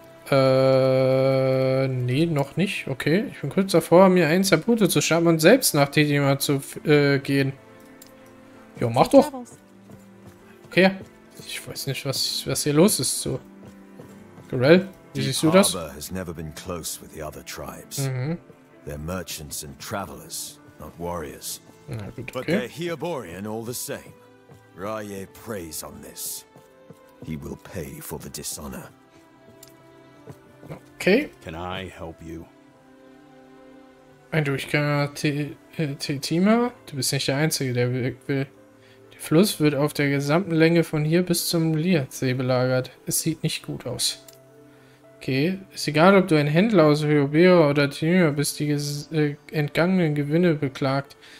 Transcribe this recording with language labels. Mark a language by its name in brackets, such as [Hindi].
[German] Nee, noch nicht. Okay, ich bin kurz davor, mir eins der Boote zu schnappen und selbst nach Tidima zu gehen. Jo, mach doch. Okay, ich weiß nicht, was hier los ist. So. Garel, wie siehst du das? [English] Die Harbor has never been close with the other tribes. They're merchants and travelers. Not warriors. Okay. But they're Hyborian all the same. Raye prays on this. He will pay for the dishonor. Okay. Can I help you? [German] Ein Durchgänger Tetima? Du bist nicht der Einzige, der will. Der Fluss wird auf der gesamten Länge von hier bis zum Liatsee belagert. Es sieht nicht gut aus. Okay, ist egal, ob du ein Händler aus Hyobera oder Tenua bist, die entgangenen Gewinne beklagt.